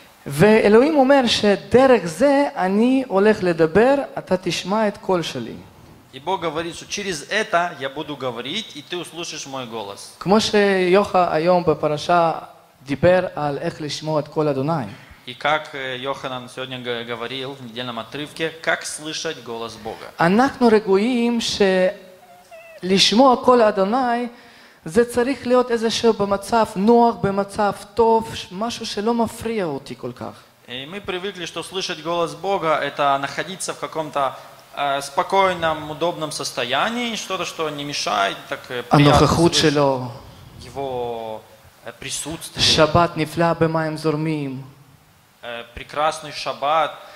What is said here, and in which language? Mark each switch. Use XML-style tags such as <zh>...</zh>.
<he>ואלוהים אומר שדרך זה אני הולך לדבר, אתה תשמע את קול שלי.</he> <ru>И Бог говорит, что через это я буду говорить, и ты услышишь мой голос.</ru> <he>כמו שיוחה היום בפרשה דיבר על איך לשמוע את קול אדוני.</he> <ru>И как Йоханан сегодня говорил в недельном отрывке, как слышать голос Бога.</ru> <he>אנחנו רגועים שלשמוע קול אדוני זה צריך להיות איזשהו במצב נוח, במצב טוב, משהו שלא מפריע אותי כל כך.</he> <ru>И мы привыкли, что слышать голос Бога, это находиться в каком-то спокойном, удобном состоянии, что-то, что не мешает, так приятно слышать его присутствие. Шаббат не флябе маем зурмим. Прекрасный шаббат.</ru>